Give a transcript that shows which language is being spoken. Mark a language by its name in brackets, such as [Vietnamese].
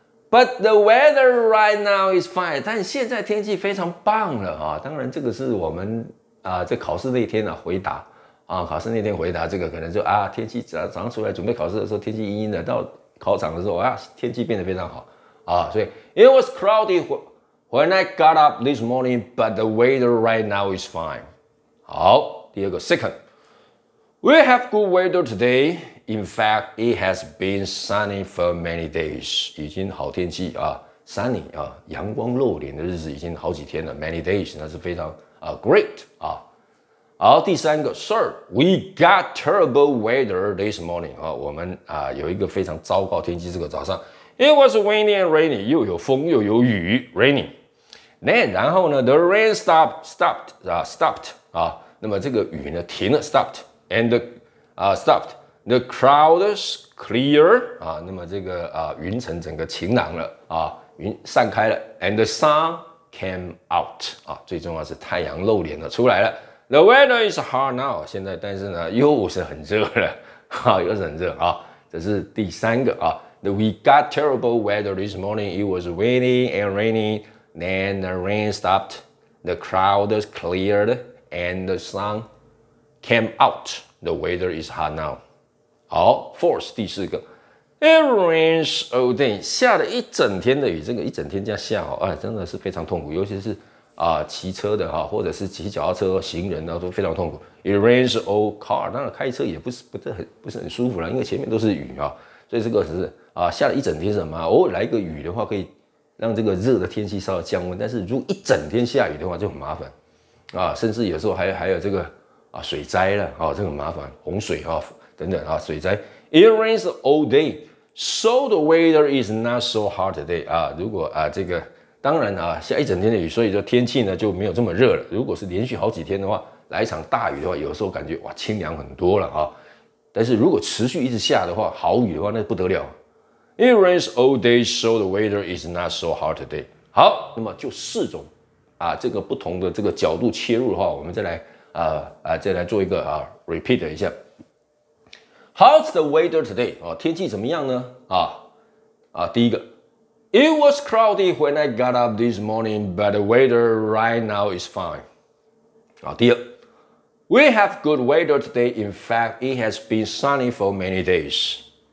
[English] But the weather right now is fine， [Chinese] 但现在天气非常棒了啊。当然，这个是我们啊这考试那天啊回答。啊，考试那天回答这个，可能就啊，天气早上出来准备考试的时候，天气阴阴的；到考场的时候啊，天气变得非常好啊。所以 [English] It was cloudy when I got up this morning, but the weather right now is fine. [Chinese] 好，第二个 [English] ，Second, we have good weather today. In fact, it has been sunny for many days. [Chinese] 已经好天气啊 ，sunny 啊，阳光露脸的日子已经好几天了 ， [English] many days [Chinese] 那是非常啊 great 啊。好，第三个 [English] ，Sir, we got terrible weather this morning. [Chinese] 啊，我们啊有一个非常糟糕天气，这个早上 ， [English] It was windy and rainy, [Chinese] 又有风又有雨 ，rainy. Then, 然后呢 ， [English] the rain stopped [Chinese] 啊，那么这个雨呢停了 ，stopped and 啊 stopped. [English] The clouds clear [Chinese] 啊，那么这个啊云层整个晴朗了啊，云散开了 ， [English] and the sun came out [Chinese] 啊，最重要是太阳露脸了出来了。 [English] The weather is hot now. [Chinese] 现在，但是呢，又是很热了，哈、啊，又是很热啊。这是第三个啊。 [English] The we got terrible weather this morning. It was windy and rainy. Then the rain stopped. The clouds cleared and the sun came out. The weather is hot now. [Chinese] 好 ，fourth 第四个 ， [English] It rains all day， [Chinese] 下了一整天的雨，这个一整天这样下哦，哎，真的是非常痛苦，尤其是骑车的哈，或者是骑脚踏车、行人呢，都非常痛苦。 [English] It rains all car， [Chinese] 当然开车也不是很舒服了，因为前面都是雨啊，所以这个是下了一整天什么？偶尔来一个雨的话，可以让这个热的天气稍微降温，但是如果一整天下雨的话，就很麻烦啊，甚至有时候还有这个水灾了啊，这很麻烦，洪水啊等等啊，水灾。 [English] It rains all day, so the weather is not so hot today 啊。 [Chinese] 如果这个当然下一整天的雨，所以说天气呢就没有这么热了。如果是连续好几天的话，来一场大雨的话，有时候感觉哇清凉很多了啊。但是如果持续一直下的话，好雨的话那不得了。 [English] It rains all day, so the weather is not so hot today。 [Chinese] 好，那么就四种这个不同的这个角度切入的话，我们再来做一个repeat 一下。 [English] How's the weather today？ [Chinese] 天气怎么样呢？第一个 [English] ，It was cloudy when I got up this morning, but the weather right now is fine。 [Chinese] 第二 [English] ，We have good weather today. In fact, it has been sunny for many days。